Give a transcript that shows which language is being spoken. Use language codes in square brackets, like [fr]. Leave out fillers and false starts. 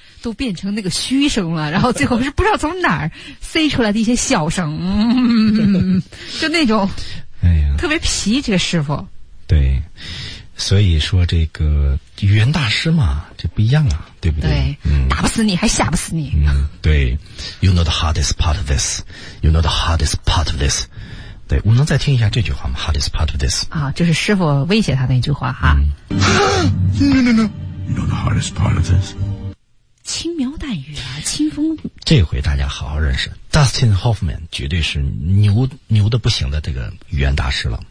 [zh] 都变成那个虚声了，然后最后是不知道从哪儿塞出来的一些小声，就那种，哎呀，特别皮这个师傅。对，所以说这个语言大师嘛，这不一样啊，对不对？对，打不死你还吓不死你。嗯，对 [en] ，You know the hardest part of this. You know the hardest part of this. [zh] 对，我能再听一下这句话吗 [en] ？Hardest part of this. [zh] 啊，就是师傅威胁他那句话哈。 [en] No. You know the hardest part of this. [zh] 轻描淡语啊，清风。这回大家好好认识 Dustin Hoffman， 绝对是牛的不行的这个语言大师了。